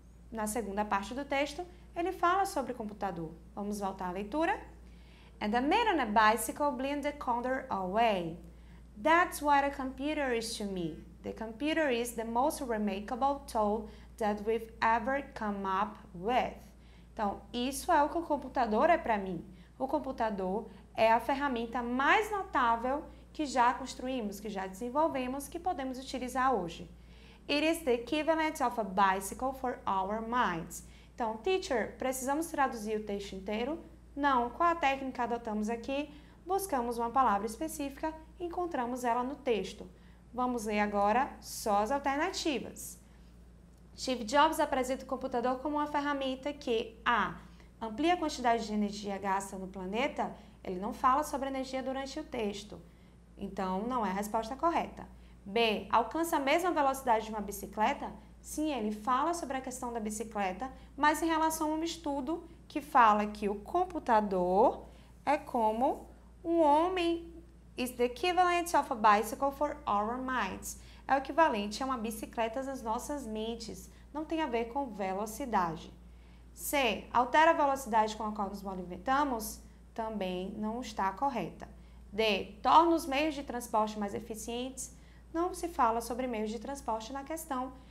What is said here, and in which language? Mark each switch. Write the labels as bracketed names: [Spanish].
[Portuguese] Na segunda parte do texto, ele fala sobre computador. Vamos voltar à leitura. [English] And a man on a bicycle blew the condor away. That's what a computer is to me. The computer is the most remarkable tool that we've ever come up with. [Portuguese] Então, isso é o que o computador é para mim. O computador é a ferramenta mais notável que já construímos, que já desenvolvemos, que podemos utilizar hoje. [English] It is the equivalent of a bicycle for our minds. [Portuguese] Então, teacher, precisamos traduzir o texto inteiro? Não. Qual a técnica adotamos aqui? Buscamos uma palavra específica e encontramos ela no texto. Vamos ler agora só as alternativas. Steve Jobs apresenta o computador como uma ferramenta que A. amplia a quantidade de energia gasta no planeta. Ele não fala sobre energia durante o texto. Então, não é a resposta correta. B. Alcança a mesma velocidade de uma bicicleta? Sim, ele fala sobre a questão da bicicleta, mas em relação a um estudo que fala que o computador é como um homem. [English] Is the equivalent of a bicycle for our minds. [Portuguese] É o equivalente a uma bicicleta nas nossas mentes. Não tem a ver com velocidade. C. Altera a velocidade com a qual nos movimentamos? Também não está correta. D. Torna os meios de transporte mais eficientes? Não se fala sobre meios de transporte na questão.